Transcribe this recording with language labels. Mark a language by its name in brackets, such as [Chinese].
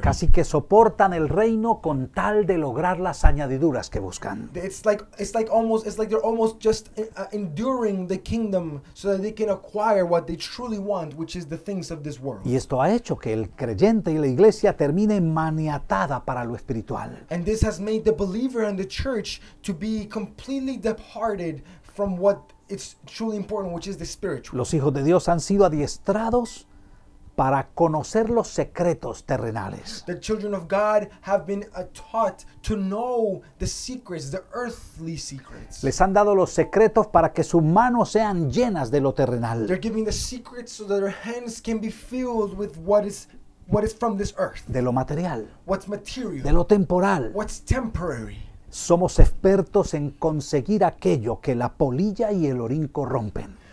[Spanish] Casi que soportan el reino con tal de lograr las añadiduras que buscan. [English] It's like they're almost just enduring the kingdom so that they can acquire what they truly want, which is the things of this world. [Spanish] Y esto ha hecho que el creyente y la iglesia termine maniatada para lo espiritual. [English] And this has made the believer and the church to be completely departed from what it's truly important, which is the spiritual. [Spanish] Los hijos de Dios han sido adiestrados para conocer los secretos terrenales. [English] The children of God have been taught to know the secrets, the earthly secrets. [Spanish] Les han dado los secretos para que sus manos sean llenas de lo terrenal. [English] They're giving the secrets so that their hands can be filled with what is from this earth. [Spanish] De lo material. [English] What's material. [Spanish] De lo temporal. [English] What's temporary. [Spanish] somos expertos en conseguir aquello que la polilla y el orín corrompen.